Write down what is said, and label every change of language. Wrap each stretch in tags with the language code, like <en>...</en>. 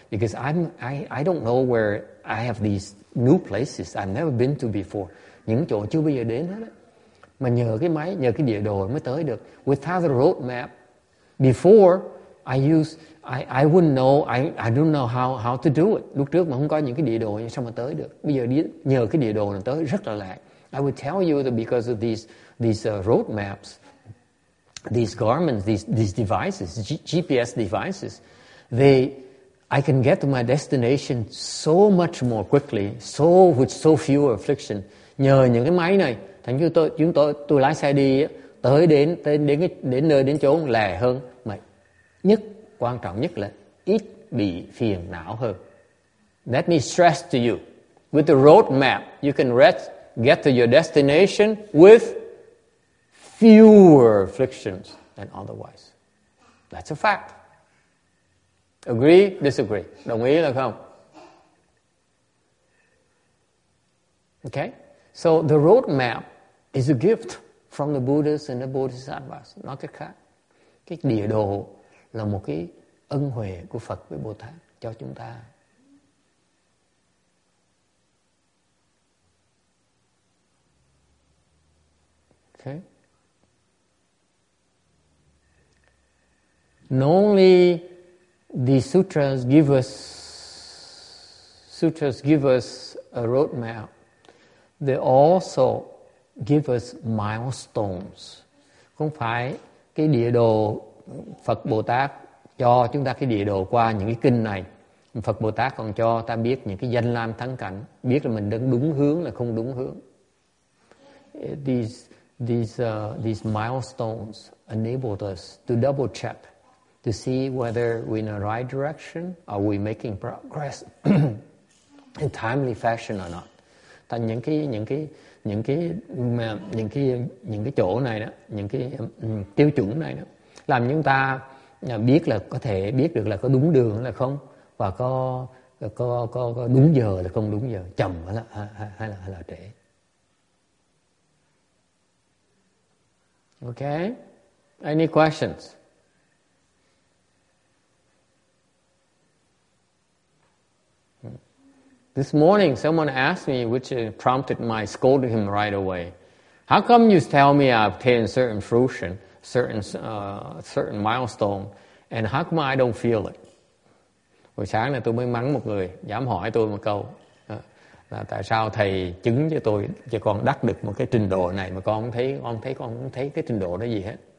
<en>Because I don't know where I have these new places I've never been to before.</en> <vi>Những chỗ chưa bao giờ đến hết á. Mà nhờ cái máy, nhờ cái địa đồ mới tới được.</vi> <en>Without the road map, before I wouldn't know, I don't know how to do it.</en> <vi>Lúc trước mà không có những cái địa đồ như sao mà tới được. Bây giờ đi nhờ cái địa đồ này tới rất là lẹ.</vi> <en>I would tell you that because of these road maps, these garments, these devices, GPS devices, I can get to my destination so much more quickly, so with so fewer affliction.</en> <vi>Nhờ những cái máy này, thành như tôi lái xe đi tới đến nơi đến chỗ lẹ hơn, mà nhất quan trọng nhất là ít bị phiền não hơn.</vi> <en>Let me stress to you, with the road map, you can get to your destination with fewer afflictions than otherwise. That's a fact. Agree, disagree?</en> <vi>Đồng ý là không?</vi> <en>Okay? So the road map is a gift from the Buddhas and the Bodhisattvas.</en> <vi>Nói cách khác, cái địa đồ là một cái ân huệ của Phật với Bồ Tát cho chúng ta.</vi> <en>Okay? Not only the sutras give us a roadmap, they also give us milestones.</en> <vi>Không phải cái địa đồ Phật Bồ Tát cho chúng ta cái địa đồ qua những cái kinh này, Phật Bồ Tát còn cho ta biết những cái danh lam thắng cảnh, biết là mình đang đúng hướng là không đúng hướng.</vi> <en>These milestones enabled us to double check to see whether we're in the right direction, are we making progress in timely fashion or not.</en> <vi>Tại những cái chỗ này đó, những cái tiêu chuẩn này đó, làm chúng ta biết là có thể biết được là có đúng đường là không, và có đúng giờ là không đúng giờ, chậm hay là trễ.</vi> <en>Okay, any questions? This morning, someone asked me, which prompted my scolding him right away. How come you tell me I obtained certain fruition, certain milestone, and how come I don't feel it?</en> <vi>Hồi sáng này tôi mới mắng một người dám hỏi tôi một câu là tại sao thầy chứng cho tôi cho con đắc được một cái trình độ này mà con không thấy cái trình độ đó gì hết.</vi>